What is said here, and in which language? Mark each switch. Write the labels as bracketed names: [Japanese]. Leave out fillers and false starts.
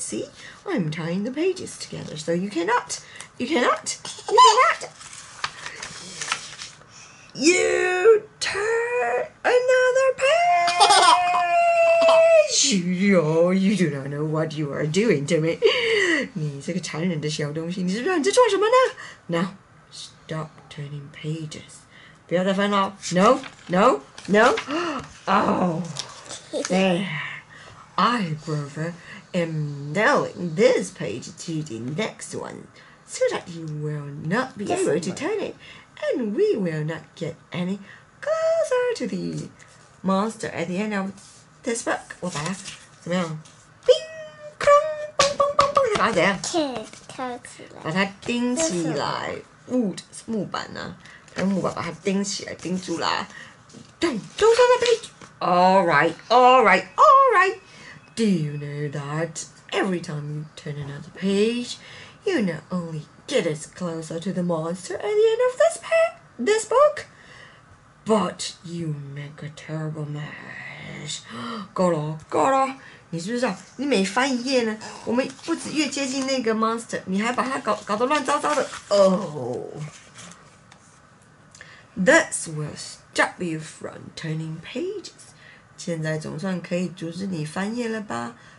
[English] See, I'm tying the pages together, so you cannot, you cannot, you cannot. You turn another page. Yo, you do not know what you are doing to me. [Chinese] 你这个残忍的小东西，你知道你在做什么呢？ [English] Now, stop turning pages. [Chinese] 不要再翻了。 [English] No, no, no. Oh, there. I prefer nailing this page to the next one so that you will not be able to turn it and we will not get any closer to the monster at the end of this book. [Chinese] 我把它怎么样 叮空蹦蹦蹦蹦把它怎样把它钉起来 wood 木板呢、啊、用木板把它钉起来钉住了咚咚咚的 page. [English] Alright, alright, alright. Do you know that every time you turn another page, you not only get us closer to the monster at the end of this book, but you make a terrible mess. [Chinese] 够了，够了！你知不知道，你每翻一页呢，我们不止越接近那个 monster， 你还把它搞得乱糟糟的。 [English] Oh, this will stop you from turning pages. [Chinese] 现在总算可以阻止你翻页了吧？